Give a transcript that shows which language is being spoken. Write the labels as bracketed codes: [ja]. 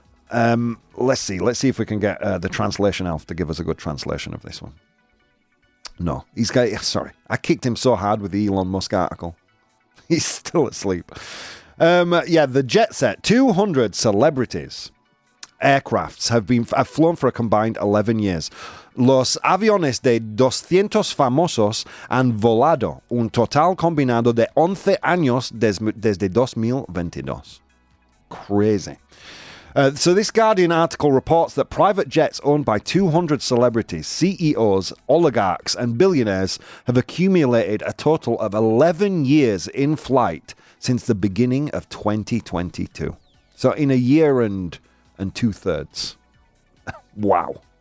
[en] Let's see if we can get the translation elf to give us a good translation of this one. No, he's got, sorry, I kicked him so hard with the Elon Musk article, he's still asleep. The Jet Set, 200 celebrities aircrafts have flown for a combined 11 years. [es] Los aviones de 200 famosos han volado un total combinado de 11 años desde 2022. [en] Crazy. So this Guardian article reports that private jets owned by 200 celebrities, CEOs, oligarchs, and billionaires have accumulated a total of 11 years in flight since the beginning of 2022. So in a year and two-thirds. Wow.